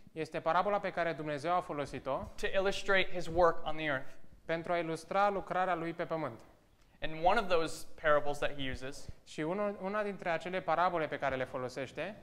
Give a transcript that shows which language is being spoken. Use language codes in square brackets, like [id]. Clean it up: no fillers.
[ro] Este parabola pe care Dumnezeu a folosit-o. [en] To illustrate his work on the earth. [ro] Pentru a ilustra lucrarea lui pe pământ. [en] And one of those parables that he uses. [ro] Și una dintre acele parabole pe care le folosește.